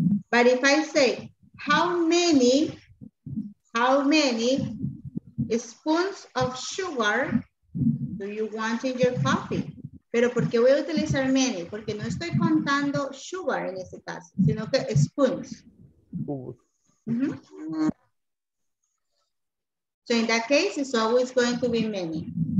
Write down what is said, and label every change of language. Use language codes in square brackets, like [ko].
[en] But if I say, how many spoons of sugar do you want in your coffee? [es] Pero ¿por qué voy a utilizar many? Porque no estoy contando sugar en este caso, sino que spoons. [en] So in that case, it's always going to be many.